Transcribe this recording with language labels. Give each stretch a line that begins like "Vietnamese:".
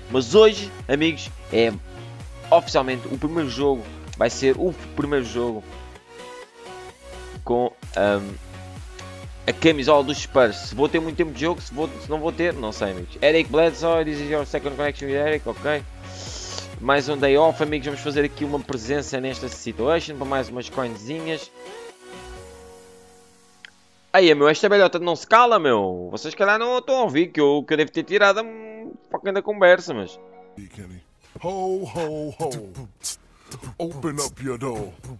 Portuguese: Mas hoje, amigos, é... Oficialmente, o primeiro jogo vai ser o primeiro jogo com a camisola dos Spurs. Se vou ter muito tempo de jogo, se não vou ter, não sei, amigos.
English: Eric Bledsoe, this is your second connection with Eric, ok.
Portuguese: Mais um
English: day off,
Portuguese: amigos. Vamos fazer aqui uma presença nesta situation para mais umas coinzinhas. Aí, meu, esta velhota não se cala, meu. Vocês, calhar, não estão a ouvir que eu devo ter tirado um pouquinho da conversa, mas...
English: Ho, ho, ho. Open up your door.